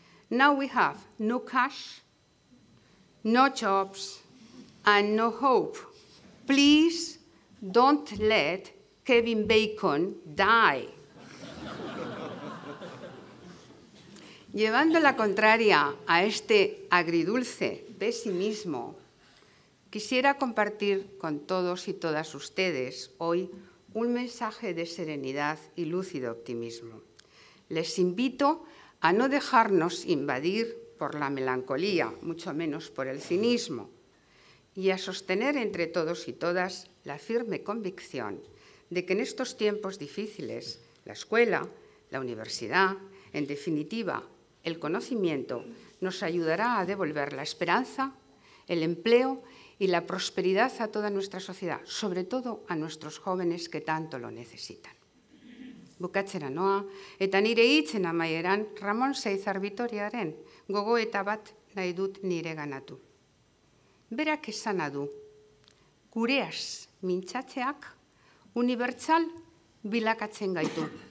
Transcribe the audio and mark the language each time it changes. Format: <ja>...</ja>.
<en>Now we have no Cash, no Jobs and no Hope. Please don't let Kevin Bacon die.</en> <es>Llevando la contraria a este agridulce pesimismo, quisiera compartir con todos y todas ustedes hoy un mensaje de serenidad y lúcido optimismo. Les invito a no dejarnos invadir por la melancolía, mucho menos por el cinismo, y a sostener entre todos y todas la firme convicción de que en estos tiempos difíciles la escuela, la universidad, en definitiva, el conocimiento nos ayudará a devolver la esperanza, el empleo y la prosperidad a toda nuestra sociedad, sobre todo a nuestros jóvenes que tanto lo necesitan.</es> <eu>Bukatzera noa, eta nire hitzen amaieran Ramon Seizar Vitoriaren gogoeta bat nahi dut nire ganatu. Berak esana du, gureaz mintzatzeak unibertsal bilakatzen gaitu.</eu>